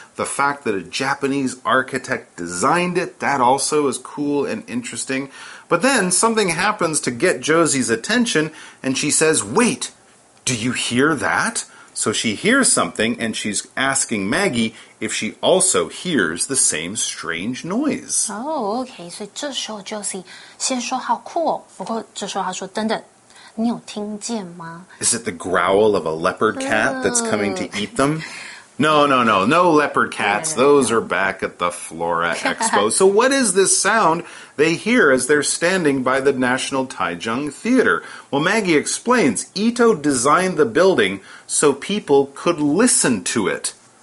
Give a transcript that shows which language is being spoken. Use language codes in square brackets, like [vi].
[en] The fact that a Japanese architect designed it, that also is cool and interesting. But then something happens to get Josie's attention, and she says, wait, do you hear that? So she hears something, and she's asking Maggie if she also hears the same strange noise. Oh, okay. So [zh] 这时候 Josie 先说好酷哦。不过这时候她说等等，你有听见吗？ [en] Is it the growl of a leopard cat that's coming to eat them? No, leopard cats. Those are back at the Flora Expo. So what is this sound they hear as they're standing by the National Taichung Theater? Well, Maggie explains, Ito designed the building so people could listen to it.